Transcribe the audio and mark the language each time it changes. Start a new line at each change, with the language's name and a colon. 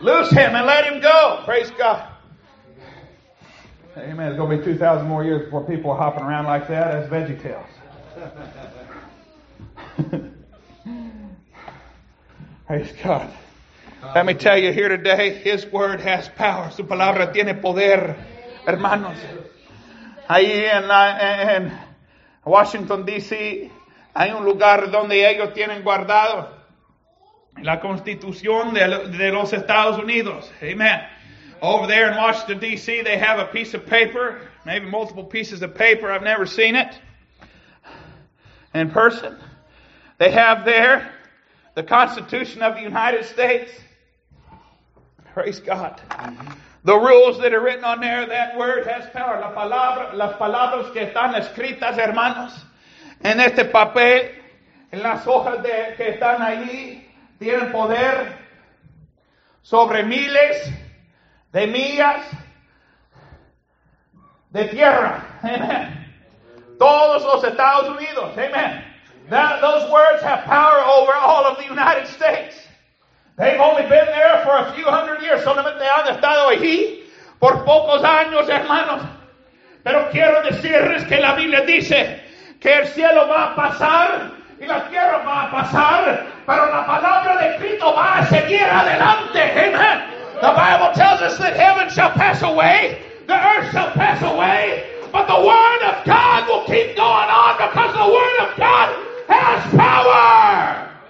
English: Loose him and let him go. Praise God. Amen. It's going to be 2,000 more years before people are hopping around like that as veggie tails. Praise God. Let me tell you here today, his word has power.
Spanish: Su palabra tiene poder, hermanos. Ahí en Washington, D.C., hay un lugar donde ellos tienen guardado La Constitución de los Estados Unidos. Amen.
English: Over there in Washington, D.C., they have a piece of paper, maybe multiple pieces of paper. I've never seen it in person. They have there the Constitution of the United States. Praise God. The rules that are written on there, that word has power.
Spanish: La palabra, las palabras que están escritas, hermanos, en este papel, en las hojas de, que están allí, tienen poder sobre miles de millas de tierra. Amen. Todos los Estados Unidos. Amen.
English: That, those words have power over all of the United States. They've only been there for a few hundred years.
Spanish: Solamente han estado allí por pocos años, hermanos. Pero quiero decirles que la Biblia dice que el cielo va a pasar y la tierra va a pasar, pero la palabra de Cristo va a seguir adelante. Amen.
English: The Bible tells us that heaven shall pass away, the earth shall pass away, but the word of God will keep going on because the word of God has power.